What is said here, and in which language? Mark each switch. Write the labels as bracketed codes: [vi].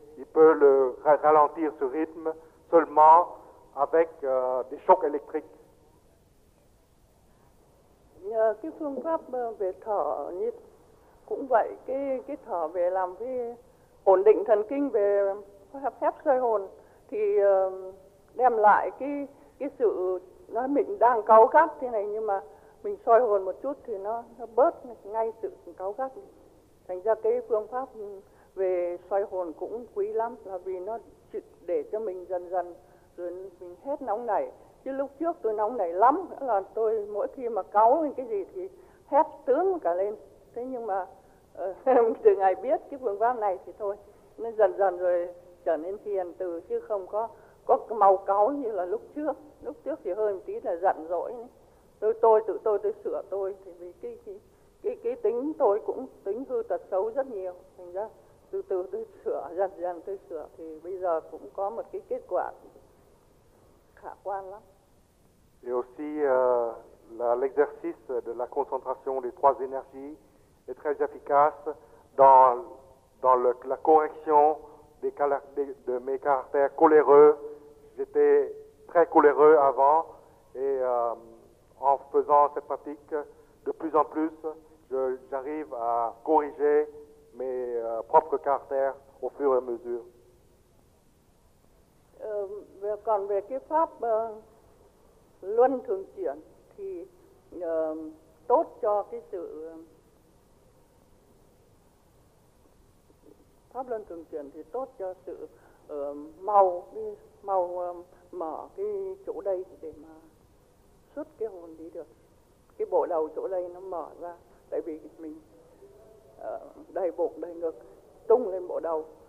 [fr] Il peut le ralentir ce rythme seulement avec des chocs électriques. [vi] Cái phương pháp về thở nhịp cũng vậy, cái thở về làm cái ổn định thần kinh về phép xoay hồn thì đem lại cái sự nó mình đang cáu gắt thế này, nhưng mà mình xoay hồn một chút thì nó bớt ngay sự cáu gắt. Thành ra cái phương pháp về xoay hồn cũng quý lắm, là vì nó để cho mình dần dần rồi mình hết nóng nảy. Chứ lúc trước tôi nóng nảy lắm, là tôi mỗi khi mà cáu cái gì thì hét tướng cả lên. Thế nhưng mà từ ngày biết cái phương pháp này thì thôi, nó dần dần rồi trở nên hiền từ, chứ không có màu cáu như là lúc trước. Lúc trước thì hơi một tí là giận dỗi. Tôi sửa tôi thì vì cái tính tôi cũng tính hư tật xấu rất nhiều. Thành ra từ từ tôi sửa, dần dần tôi sửa thì bây giờ cũng có một cái kết quả. [fr] Et aussi, l'exercice de la concentration des trois énergies est très efficace dans la correction de mes caractères coléreux. J'étais très coléreux avant et en faisant cette pratique, de plus en plus, j'arrive à corriger mes propres caractères au fur et à mesure. [vi] Còn về cái pháp luân thường chuyển thì tốt cho cái sự pháp luân thường chuyển thì tốt cho sự màu mở cái chỗ đây để mà xuất cái hồn đi được, cái bộ đầu chỗ đây nó mở ra, tại vì mình đầy bụng đầy ngực tung lên bộ đầu.